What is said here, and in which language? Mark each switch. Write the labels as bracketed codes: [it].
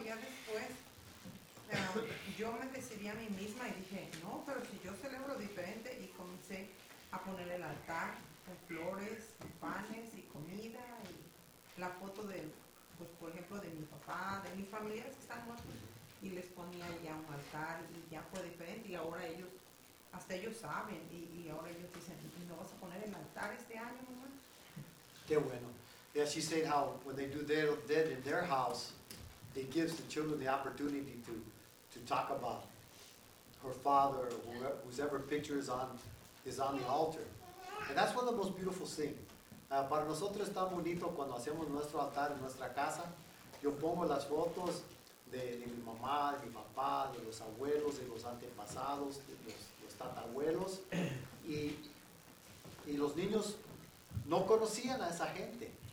[es] Ya después, yo me decidí a mí misma y dije, no, pero si yo celebro diferente, y comencé a poner el altar con flores, panes y comida, y la foto de, pues, por ejemplo, de mi papá, de mis familiares que están muertos, y les ponía ya un altar, y ya fue diferente, y ahora ellos, hasta ellos saben, y ahora ellos dicen, ¿no vas a poner el altar este año, mamá? Qué bueno. [en] Yeah, she said how when they do their dead in their house, it gives the children the opportunity to talk about her father, whoever picture is on the altar. And that's one of the most beautiful things. [es] Para nosotros está bonito cuando hacemos nuestro altar en nuestra casa. Yo pongo las fotos de mi mamá, de mi papá, de los abuelos, de los antepasados, de los tatarabuelos. Y los niños no conocían a esa gente.